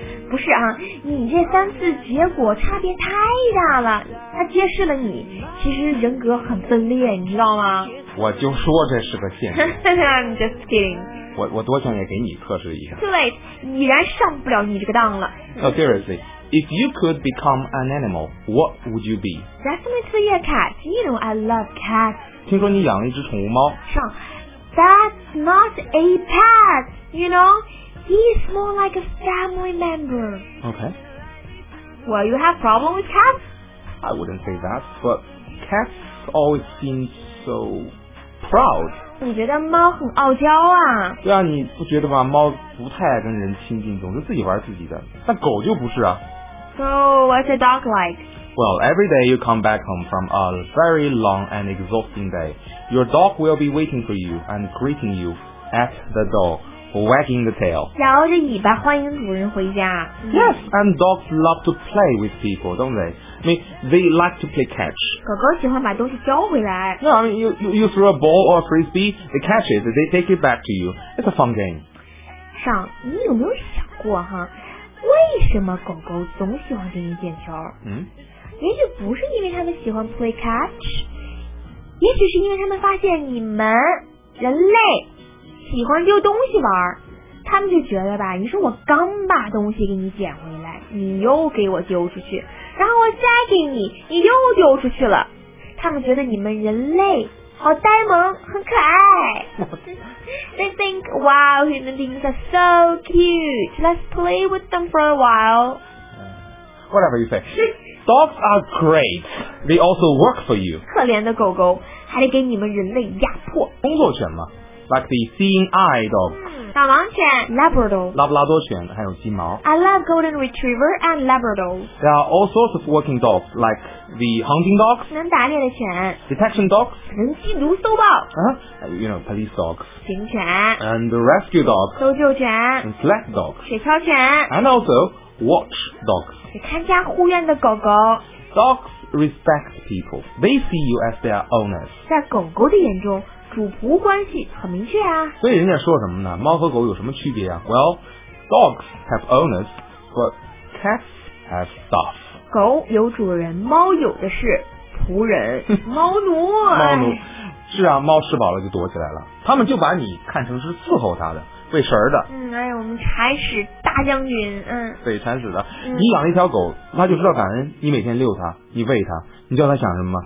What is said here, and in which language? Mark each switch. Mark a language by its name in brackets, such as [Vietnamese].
[Chinese] 不是啊，你这三次结果差别太大了，它揭示了你其实人格很分裂，你知道吗？我就说这是个陷阱。 [English] I'm just kidding. [Chinese] 我多想也给你测试一下。 [English] Too late， [Chinese] 已然上不了你这个当了。 [English] No, seriously, if you could become an animal, what would you be? Definitely a cat. You know I love cats. [Chinese] 听说你养了一只宠物猫。 [English] 上。That's not a pet, you know? He's more like a family member. Okay. Well, you have problem with cats? I wouldn't say that, but cats always seem so proud. [Chinese] 你觉得猫很傲娇啊？对啊，你不觉得吗？猫不太爱跟人亲近，总是自己玩自己的。但狗就不是啊。 [English] So, what's a dog like? Well, every day you come back home from a very long and exhausting day. Your dog will be waiting for you and greeting you at the door, wagging the tail. [Chinese] 摇着尾巴欢迎主人回家。 [English] Yes, and dogs love to play with people, don't they? I mean, they like to play catch. [Chinese] 狗狗喜欢把东西叼回来。 [English] No, I mean, you throw a ball or a frisbee, they catch it, they take it back to you. It's a fun game. [Chinese] 上，你有没有想过哈，为什么狗狗总喜欢给你捡球？也许不是因为他们喜欢 [English] play catch。 [Chinese] 也许是因为他们发现你们人类喜欢丢东西玩，他们就觉得吧，你说我刚把东西给你捡回来，你又给我丢出去，然后塞给你，你又丢出去了。他们觉得你们人类好呆萌，很可爱。 [English] They think, wow, human beings are so cute. Let's play with them for a while. Whatever you say. Dogs are great. They also work for you. [Chinese] 可怜的狗狗还得给你们人类压迫。工作犬嘛。 [English] Like the seeing eye dog. [Chinese] 导盲犬 [English] Labrador. [Chinese] 拉布拉多犬还有金毛。 [English] I love golden retriever and Labrador. There are all sorts of working dogs, like the hunting dogs. [Chinese] 能打猎的犬。 [English] Detection dogs. [Chinese] 能缉毒搜爆。 [English] You know, police dogs. [Chinese] 警犬。 [English] And the rescue dogs. [Chinese] 搜救犬。 [English] And sled dogs. [Chinese] 雪橇犬。 [English] And also, watch dogs. [Chinese] 看家护院的狗狗。 [English] Dogs respect people. They see you as their owners. [Chinese] 在狗狗的眼中主仆关系很明确啊，所以人家说什么呢？猫和狗有什么区别啊？ [English] Well, dogs have owners, but cats have stuff. [Chinese] 狗有主人，猫有的是仆人，猫奴。猫奴，是啊，猫吃饱了就躲起来了，他们就把你看成是伺候它的、喂食的。嗯，哎，我们铲屎大将军，嗯，对，铲屎的、嗯。你养了一条狗，它就知道感恩，你每天遛它，你喂它，你叫它想什么吗？